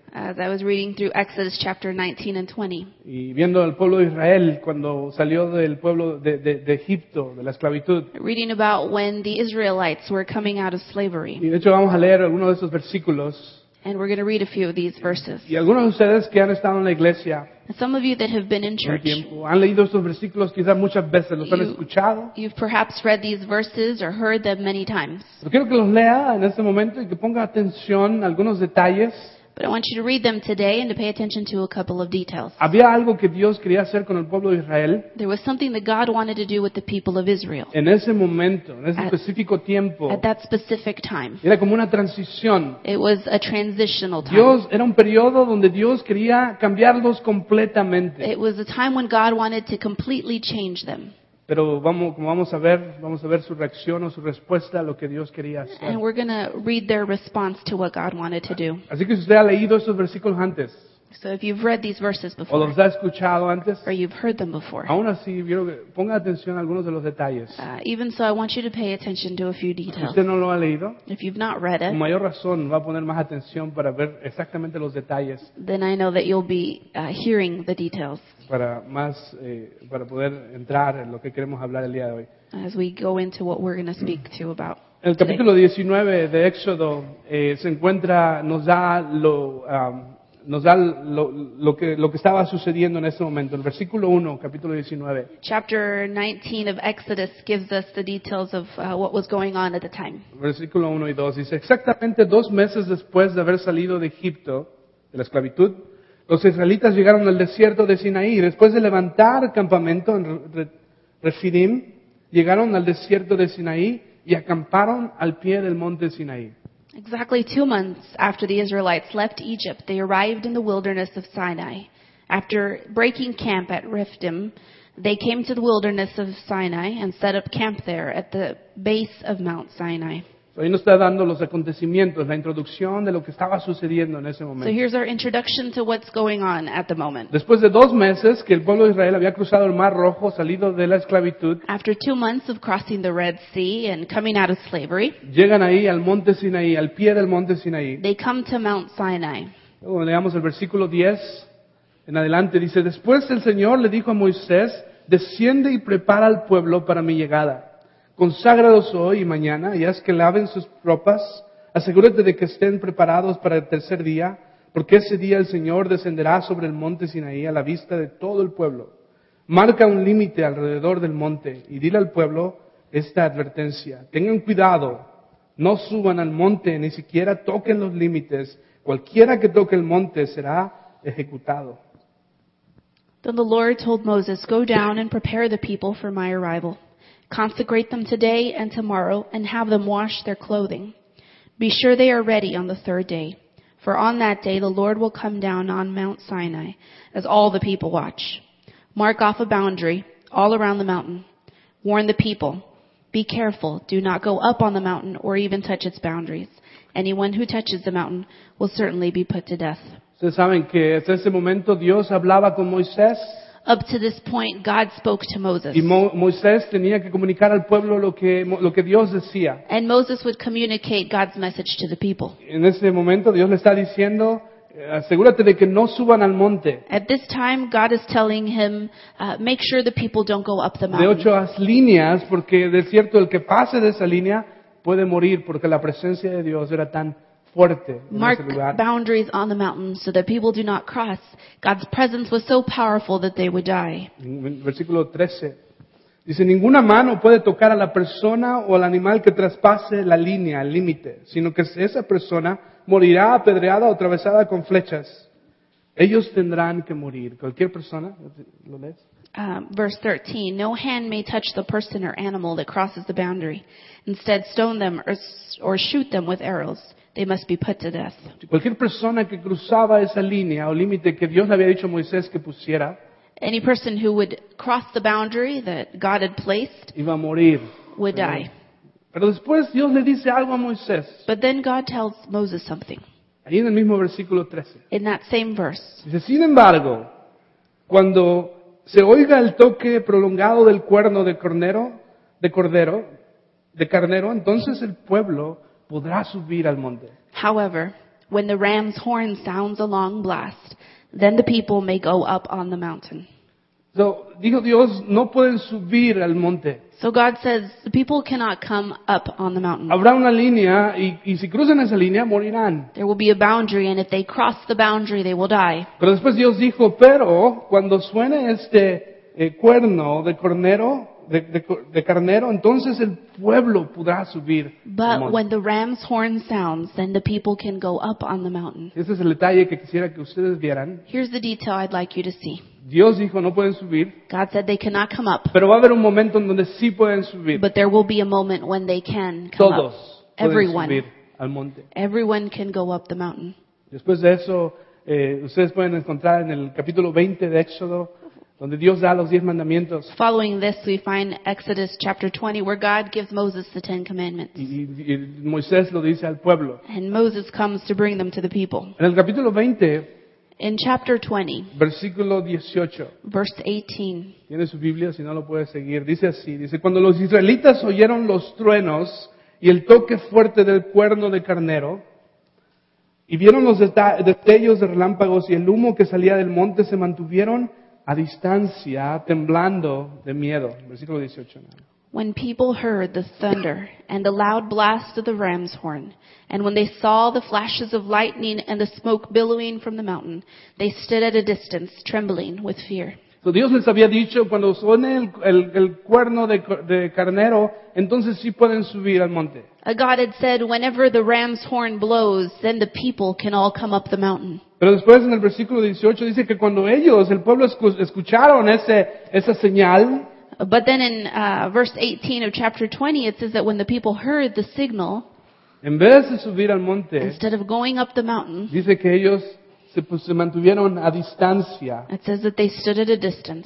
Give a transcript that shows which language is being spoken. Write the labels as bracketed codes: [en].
[en] As I was reading through Exodus chapter 19 and 20. [es] Y viendo al pueblo de Israel cuando salió del pueblo de Egipto, de la esclavitud. [en] Reading about when the Israelites were coming out of slavery. [es] Y de hecho vamos a leer algunos de esos versículos. [en] And we're going to read a few of these verses. [es] Y algunos de ustedes que han estado en la iglesia. [en] Some of you that have been in church, [es] han leído estos versículos quizás muchas veces, los han escuchado. [en] You've perhaps read these verses or heard them many times. [es] Pero quiero que los lea en este momento y que ponga atención a algunos detalles. [en] But I want you to read them today and to pay attention to a couple of details. [es] Había algo que Dios quería hacer con el pueblo de Israel. [en] There was something that God wanted to do with the people of Israel. [es] En ese momento, en ese específico tiempo. [en] At that specific time. [es] Era como una transición. [en] It was a transitional time. [es] Dios, era un periodo donde Dios quería cambiarlos completamente. [en] It was a time when God wanted to completely change them. [es] Pero vamos a ver su reacción o su respuesta a lo que Dios quería hacer. [en] And we're going to read their response to what God wanted to do. [es] Así que si usted ha leído esos versículos antes, [en] so if you've read these verses before, [es] o los ha escuchado antes, [en] or you've heard them before, [es] aún así, ponga atención a algunos de los detalles. [en] Even so, I want you to pay attention to a few details. [es] Si usted no lo ha leído, [en] if you've not read it, [es] con mayor razón va a poner más atención para ver exactamente los detalles. [en] Then I know that you'll be hearing the details. [es] Para más para poder entrar en lo que queremos hablar el día de hoy. [en] As we go into what we're going to speak to about. [es] El capítulo 19 de Éxodo se encuentra, nos da lo que estaba sucediendo en ese momento. El versículo 1, capítulo 19. [en] Chapter 19 of Exodus gives us the details of what was going on at the time. [es] Versículo 1 y 2 dice: exactamente dos meses después de haber salido de Egipto, de la esclavitud, los israelitas llegaron al desierto de Sinaí. Después de levantar campamento en Refidim, llegaron al desierto de Sinaí y acamparon al pie del monte Sinaí. [en] Exactly 2 months after the Israelites left Egypt, they arrived in the wilderness of Sinai. After breaking camp at Rephidim, they came to the wilderness of Sinai and set up camp there at the base of Mount Sinai. [es] Hoy nos está dando los acontecimientos, la introducción de lo que estaba sucediendo en ese momento. [en] So here's our introduction to what's going on at the moment. [es] Después de 2 meses que el pueblo de Israel había cruzado el Mar Rojo, salido de la esclavitud, [en] after 2 months of crossing the Red Sea and coming out of slavery, [es] llegan ahí al monte Sinaí, al pie del monte Sinaí. [en] They come to Mount Sinai. [es] Luego leamos el versículo 10 en adelante, dice: después el Señor le dijo a Moisés: desciende y prepara al pueblo para mi llegada. Conságralos hoy y mañana y haz que laven sus ropas. Asegúrate de que estén preparados para el tercer día, porque ese día el Señor descenderá sobre el monte Sinaí a la vista de todo el pueblo. Marca un límite alrededor del monte y dile al pueblo esta advertencia: tengan cuidado, No suban al monte, ni siquiera toquen los límites. Cualquiera que toque el monte será ejecutado. [en] Then the Lord told Moses, go down and prepare the people for my arrival. Consecrate them today and tomorrow and have them wash their clothing. Be sure they are ready on the third day. For on that day the Lord will come down on Mount Sinai as all the people watch. Mark off a boundary all around the mountain. Warn the people, be careful, do not go up on the mountain or even touch its boundaries. Anyone who touches the mountain will certainly be put to death. [es] Ustedes saben que hasta ese momento Dios hablaba con Moisés. [en] Up to this point, God spoke to Moses. [es] Y Moisés tenía que comunicar al pueblo lo que Dios decía. [en] And Moses would communicate God's message to the people. [es] En ese momento Dios le está diciendo, asegúrate de que no suban al monte. [en] At this time, God is telling him, make sure the people don't go up the mountain. [es] De hecho, haz líneas, porque de cierto el que pase de esa línea puede morir, porque la presencia de Dios era tan fuerte. [en] Mark boundaries on the mountain so that people do not cross. God's presence was so powerful that they would die. [es] Versículo 13 dice, ninguna mano puede tocar a la persona o al animal que traspase la línea, el límite, sino que esa persona morirá apedreada o atravesada con flechas. Ellos tendrán que morir. Cualquier persona, ¿lo lees? [en] Verse 13, no hand may touch the person or animal that crosses the boundary. Instead, stone them or shoot them with arrows. They must be put to death. [es] Cualquier persona que cruzaba esa línea o límite que Dios le había dicho a Moisés que pusiera, [en] any person who would cross the boundary that God had placed, [es] iba a morir, [en] would die. [es] Pero después Dios le dice algo a Moisés. [en] But then God tells Moses something. [es] Ahí en el mismo versículo 13. [en] In that same verse. [es] Dice, sin embargo, cuando se oiga el toque prolongado del cuerno de carnero, entonces el pueblo podrá subir al monte. [en] However, when the ram's horn sounds a long blast, then the people may go up on the mountain. [es] So, dijo Dios, no pueden subir al monte. [en] So God says, the people cannot come up on the mountain. [es] Habrá una línea y si cruzan esa línea, morirán. [en] There will be a boundary and if they cross the boundary, they will die. [es] Pero después Dios dijo, pero cuando suene este cuerno de cornero, de carnero, entonces el pueblo podrá subir. [en] But when the ram's horn sounds, then the people can go up on the mountain. [es] Ese es el detalle que quisiera que ustedes vieran. [en] Here's the detail I'd like you to see. [es] Dios dijo, no pueden subir. [en] God said they cannot come up. [es] Pero va a haber un momento en donde sí pueden subir. [en] But there will be a moment when they can come [es] todos [en] up. [es] Todos pueden subir al monte. [en] Everyone can go up the mountain. [es] Después de eso, ustedes pueden encontrar en el capítulo 20 de Éxodo, donde Dios da los 10 mandamientos. [en] Following this, we find Exodus chapter 20, where God gives Moses the 10 commandments. [es] Y Moisés lo dice al pueblo. [en] And Moses comes to bring them to the people. [es] En el capítulo 20, [en] in chapter 20, [es] versículo 18, [en] verse 18, [es] tiene su Biblia, si no lo puede seguir, dice así, dice, cuando los israelitas oyeron los truenos y el toque fuerte del cuerno de carnero, y vieron los destellos de relámpagos y el humo que salía del monte, se mantuvieron a distancia, temblando de miedo. Versículo 18. [en] When people heard the thunder and the loud blast of the ram's horn, and when they saw the flashes of lightning and the smoke billowing from the mountain, they stood at a distance, trembling with fear. [es] So Dios les había dicho, cuando suene el cuerno de carnero, entonces sí pueden subir al monte. [en] God had said, whenever the ram's horn blows, then the people can all come up the mountain. [es] Pero después en el versículo 18 dice que cuando ellos, el pueblo, escucharon esa señal. [en] But then in verse 18 of chapter 20, it says that when the people heard the signal, [es] en vez de subir al monte, [en] instead of going up the mountain, [es] dice que ellos se mantuvieron a distancia. [en] It says that they stood at a distance,